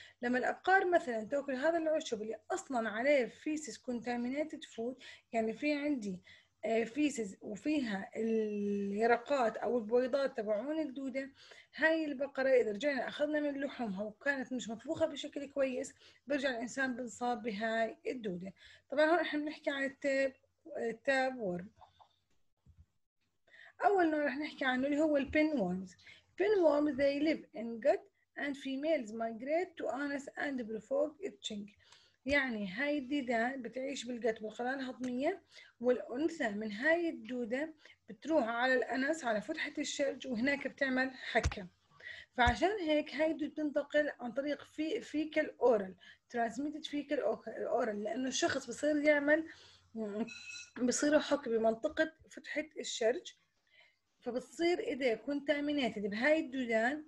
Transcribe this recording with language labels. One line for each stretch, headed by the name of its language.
Arabic: لما الابقار مثلا تاكل هذا العشب اللي اصلا عليه فيسز كونتامينيتد فود، يعني في عندي فيسز وفيها اليرقات او البويضات تبعون الدوده، هاي البقره اذا رجعنا اخذنا من لحومها وكانت مش مطبوخه بشكل كويس، برجع الانسان بنصاب بهاي الدوده. طبعا هون احنا بنحكي عن التاب ورم. اول نوع رح نحكي عنه اللي هو البين وورمز.
English: Pinworms they live in gut and females migrate to anus and provoke itching.
Arabic: يعني هاي الديدان بتعيش بالجت بالخلايا الهضمية، والأنثى من هاي الدودة بتروح على الأنس على فتحة الشرج وهناك بتعمل حكة. فعشان هيك هاي الدودة بتنتقل عن طريق فيكال أورال ترانسميتد فيكال أورال، لأنه الشخص بصير يعمل بصير يحك بمنطقة فتحة الشرج، فبتصير ايديه كونتامينيتد بهاي الدودان.